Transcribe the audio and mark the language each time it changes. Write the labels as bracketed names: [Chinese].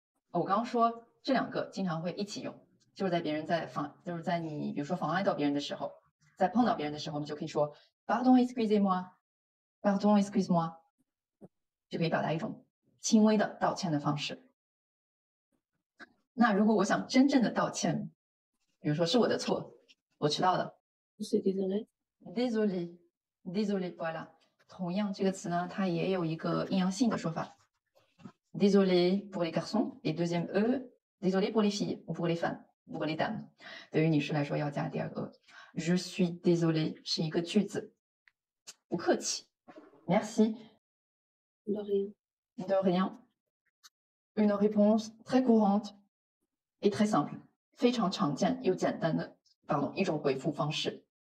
[Chinese] 我刚刚说这两个经常会一起用。就是在你比如说妨碍到别人的时候，在碰到别人的时候，我们就可以说 [French] Pardon, excusez-moi, Pardon, excuse-moi， [Chinese] 就可以表达一种轻微的道歉的方式。那如果我想真正的道歉，比如说是我的错，我迟到了， [French] c'est désolé, désolé, désolé, voilà。 [Chinese] 同样这个词呢，它也有一个阴阳性的说法， [French] désolé pour les garçons et deuxième e, désolé pour les filles ou pour les femmes。 [Chinese] 不过，Madame， 对于女士来说要加第二个 ， [French] Je suis désolé [Chinese] 是一个句子，不客气 ，Merci。 [French] De rien。 De rien。 Une réponse très courante et très simple， [Chinese] 非常常见又简单的，一种回复方式。